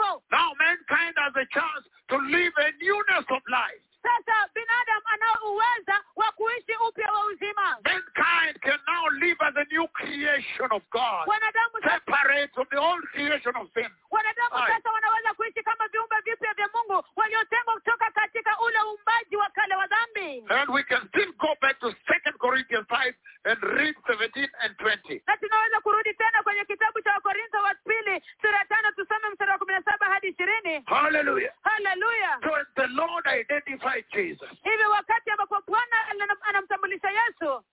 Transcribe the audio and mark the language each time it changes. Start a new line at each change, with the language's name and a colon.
English: Now mankind has a chance to live a newness of life.
Swahili: Sasa binadam anaweza wa kuishi upya wa uzima.
English: Mankind can now live as a new creation of God.
Swahili: Wanadamu
English: separate from the old creation of sin.
Swahili: Wanadamu sasa wanaweza kuishi kama viumbe vipya vya Mungu waliotengwa kutoka katika ule uumbaji wa kale wa dhambi.
English: And we can still go back to 2 Corinthians 5 and read 17 and 20.
Swahili: Na tunaweza kurudi tena kwenye kitabu cha Wakorintho wa 2 sura 5 tusome mstari wa 17 hadi 20. Hallelujah. Hallelujah.
English: So the Lord identified Jesus.
Swahili: Hivi wakati ambapo Bwana anamtambulisha Yesu.